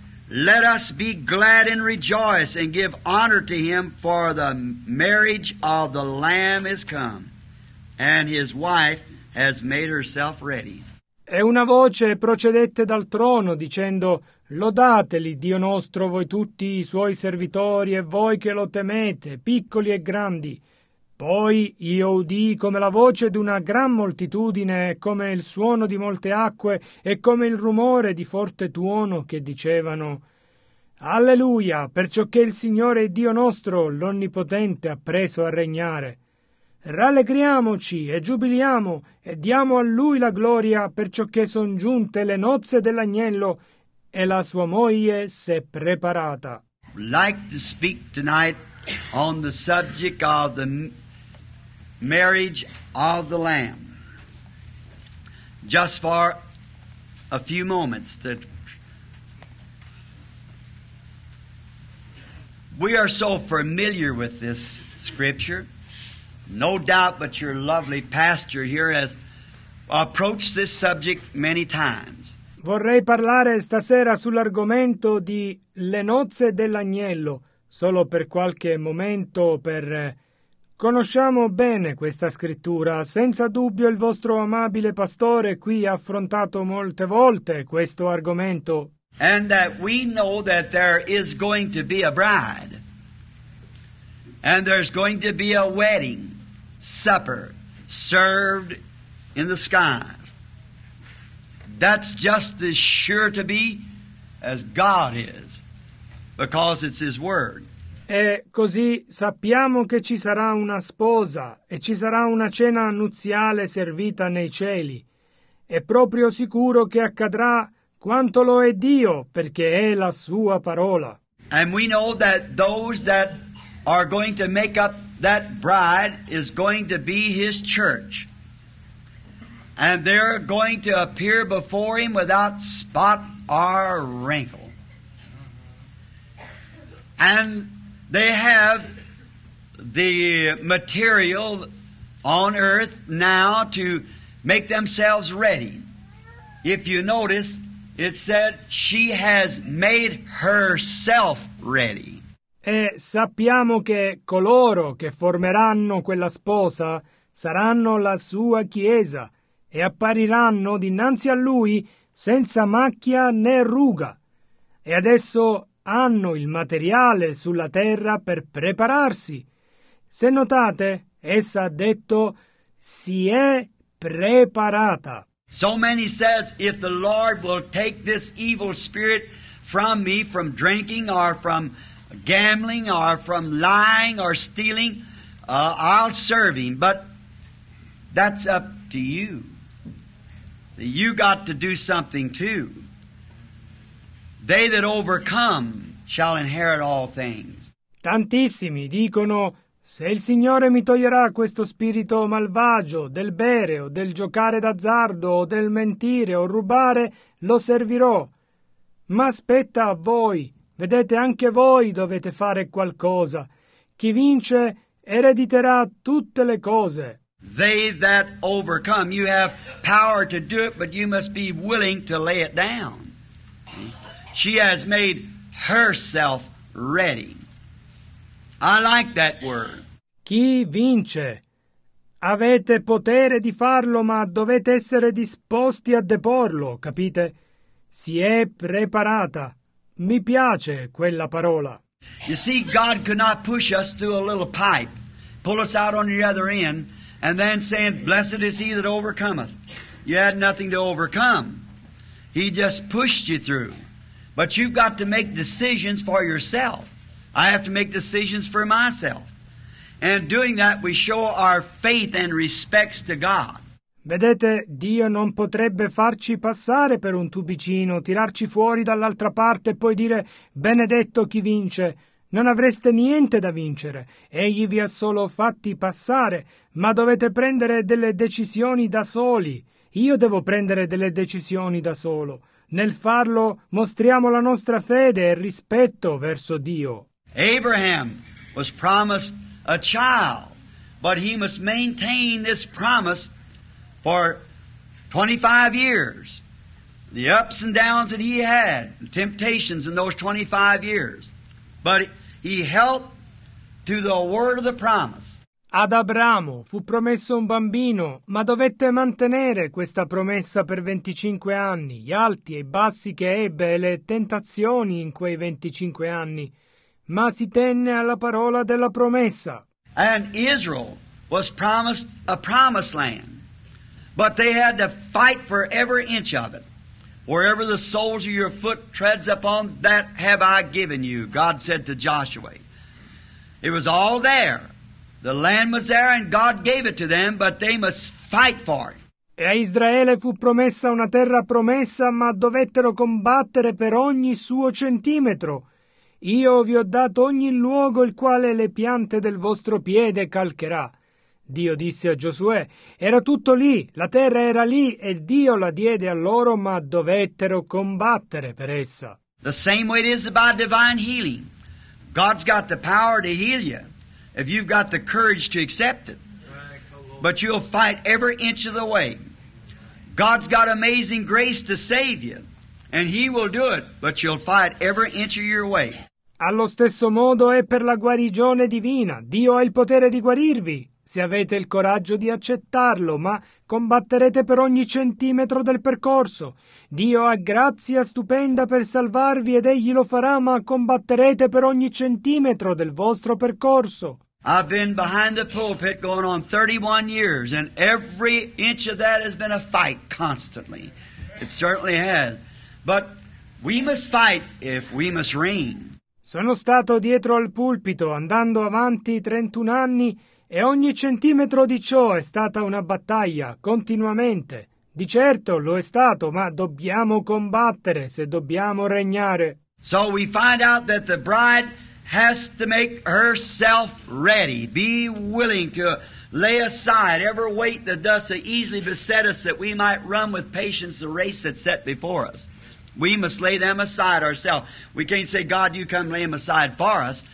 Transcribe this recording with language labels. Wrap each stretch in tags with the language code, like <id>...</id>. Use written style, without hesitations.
<en>Let us be glad and rejoice and give honor to him, for the marriage of the Lamb is come, and his wife has made herself ready.</en> <it>E una voce procedette dal trono, dicendo, Lodateli, Dio nostro, voi tutti i suoi servitori, e voi che lo temete, piccoli e grandi. Poi io udii come la voce di una gran moltitudine, come il suono di molte acque, e come il rumore di forte tuono, che dicevano, Alleluia, perciò che il Signore Dio nostro, l'Onnipotente, ha preso a regnare. Rallegriamoci e giubiliamo e diamo a Lui la gloria, perciò che son giunte le nozze dell'agnello e la sua moglie s'è preparata.</it> <en>Like to speak tonight on the subject of the marriage of the Lamb. Just for a few moments. We are so familiar with this scripture. No doubt but your lovely pastor here has approached this subject many times.</en> <it>Vorrei parlare stasera sull'argomento di le nozze dell'agnello, solo per qualche momento, per... Conosciamo bene questa scrittura. Senza dubbio il vostro amabile pastore qui ha affrontato molte volte questo argomento.</it> <en>And that we know that there is going to be a bride. And there's going to be a wedding. Supper served in the skies. That's just as sure to be as God is, because it's His Word.</en> <it>E così sappiamo che ci sarà una sposa e ci sarà una cena nuziale servita nei cieli. È proprio sicuro che accadrà quanto lo è Dio, perché è la Sua parola.</it> <en>And we know that those that are going to make up that bride is going to be his church. And they're going to appear before him without spot or wrinkle. And they have the material on earth now to make themselves ready. If you notice, it said she has made herself ready.</en> <it>E sappiamo che coloro che formeranno quella sposa saranno la sua chiesa e appariranno dinanzi a lui senza macchia né ruga. E adesso hanno il materiale sulla terra per prepararsi. Se notate, essa ha detto, si è preparata.</it> <en>So many says, if the Lord will take this evil spirit from me, from drinking or from gambling or from lying or stealing, I'll serve him. But that's up to you. So you got to do something too. They that overcome shall inherit all things.</en> <it>Tantissimi dicono, se il Signore mi toglierà questo spirito malvagio del bere o del giocare d'azzardo o del mentire o rubare, lo servirò. Ma aspetta a voi. Vedete, anche voi dovete fare qualcosa. Chi vince erediterà tutte le cose.</it> <en>They that overcome, you have power to do it, but you must be willing to lay it down. She has made herself ready. I like that word.</en> <it>Chi vince? Avete potere di farlo, ma dovete essere disposti a deporlo, capite? Si è preparata. Mi piace quella parola.</it> <en>You see, God could not push us through a little pipe, pull us out on the other end, and then saying, Blessed is he that overcometh. You had nothing to overcome. He just pushed you through. But you've got to make decisions for yourself. I have to make decisions for myself. And doing that, we show our faith and respects to God.</en> <it>Vedete, Dio non potrebbe farci passare per un tubicino, tirarci fuori dall'altra parte e poi dire «Benedetto chi vince!» Non avreste niente da vincere. Egli vi ha solo fatti passare, ma dovete prendere delle decisioni da soli. Io devo prendere delle decisioni da solo. Nel farlo mostriamo la nostra fede e rispetto verso Dio.</it> <en>Abraham was promised a child, but he must maintain this promise for 25 years. The ups and downs that he had, temptations in those 25 years. But he held to the word of the promise.</en> <it>Ad Abramo fu promesso un bambino, ma dovette mantenere questa promessa per 25 anni, gli alti e i bassi che ebbe e le tentazioni in quei 25 anni, ma si tenne alla parola della promessa.</it> <en>And Israel was promised a promised land, but they had to fight for every inch of it. Wherever the soles of your foot treads upon, that have I given you, God said to Joshua. It was all there. The land was there and God gave it to them, but they must fight for it.</en> <it>E a Israele fu promessa una terra promessa, ma dovettero combattere per ogni suo centimetro. Io vi ho dato ogni luogo il quale le piante del vostro piede calcherà. Dio disse a Giosuè, era tutto lì, la terra era lì e Dio la diede a loro, ma dovettero combattere per essa.</it> <en>The same way it is about divine healing. God's got the power to heal you if you've got the courage to accept it. But you'll fight every inch of the way. God's got amazing grace to save you and he will do it, but you'll fight every inch of your way.</en> <it>Allo stesso modo è per la guarigione divina. Dio ha il potere di guarirvi. Se avete il coraggio di accettarlo, ma combatterete per ogni centimetro del percorso. Dio ha grazia stupenda per salvarvi ed egli lo farà, ma combatterete per ogni centimetro del vostro percorso.</it> <en>I've been behind the pulpit going on 31 years and every inch of that has been a fight constantly. It certainly has. But we must fight if we must reign.</en> <it>Sono stato dietro al pulpito andando avanti 31 anni e ogni centimetro di ciò è stata una battaglia, continuamente. Di certo lo è stato, ma dobbiamo combattere se dobbiamo regnare.</it> <en>So we find out that the bride has to make herself ready, be willing to lay aside every weight that does so easily beset us that we might run with patience the race that's set before us. We must lay them aside ourselves. We can't say, God, you come lay them aside for us.</en>